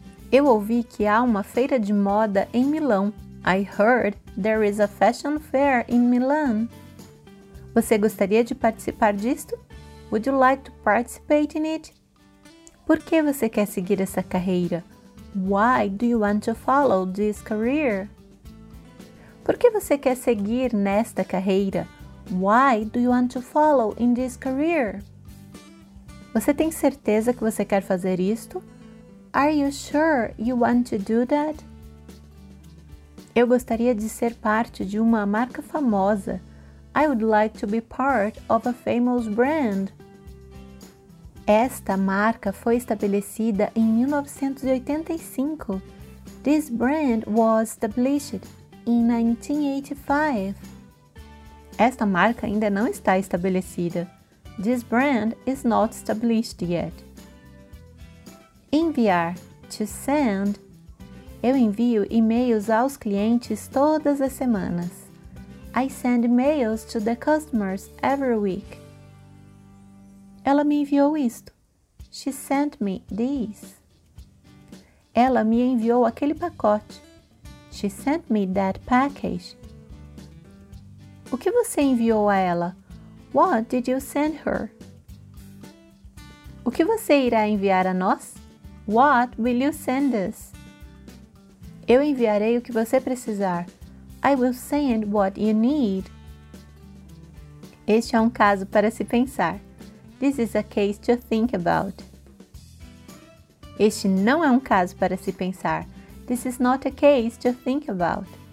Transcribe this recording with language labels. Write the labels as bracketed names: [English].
[Portuguese] Eu ouvi que há uma feira de moda em Milão. [English] I heard there is a fashion fair in Milan. [Portuguese] Você gostaria de participar disto? [English] Would you like to participate in it? [Portuguese] Por que você quer seguir essa carreira? [English] Why do you want to follow this career? [Portuguese] Por que você quer seguir nesta carreira? [English] Why do you want to follow in this career? [Portuguese] Você tem certeza que você quer fazer isto? [English] Are you sure you want to do that? [Portuguese] Eu gostaria de ser parte de uma marca famosa. [English] I would like to be part of a famous brand. [Portuguese] Esta marca foi estabelecida em 1985. [English] This brand was established in 1985. [Portuguese] Esta marca ainda não está estabelecida. [English] This brand is not established yet. [Portuguese] Enviar, to send. Eu envio e-mails aos clientes todas as semanas. [English] I send mails to the customers every week. [Portuguese] Ela me enviou isto. [English] She sent me this. [Portuguese] Ela me enviou aquele pacote. [English] She sent me that package. [Portuguese] O que você enviou a ela? [English] What did you send her? [Portuguese] O que você irá enviar a nós? [English] What will you send us? [Portuguese] Eu enviarei o que você precisar. [English] I will send what you need. [Portuguese] Este é um caso para se pensar. [English] This is a case to think about. [Portuguese] Este não é um caso para se pensar. [English] This is not a case to think about.